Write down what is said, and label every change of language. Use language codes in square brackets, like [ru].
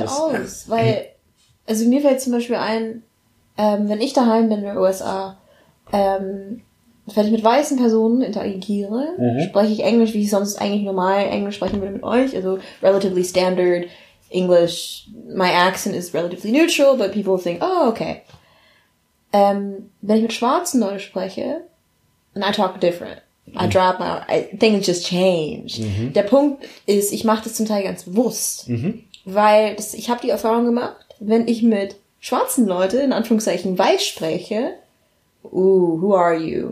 [de] Viel aus, weil, also mir fällt zum Beispiel ein, wenn ich daheim bin in den USA, wenn ich mit weißen Personen interagiere, spreche ich Englisch, wie ich sonst eigentlich normal Englisch sprechen würde mit euch, also [en] relatively standard English, my accent is relatively neutral, but people think, oh, okay. [de] Wenn ich mit Schwarzen Leuten spreche, [en] and I talk different. I drop my, things just change. Mhm. [de] Der Punkt ist, ich mache das zum Teil ganz bewusst, weil ich habe die Erfahrung gemacht, wenn ich mit schwarzen Leuten, in Anführungszeichen weiß spreche, [en] who are you?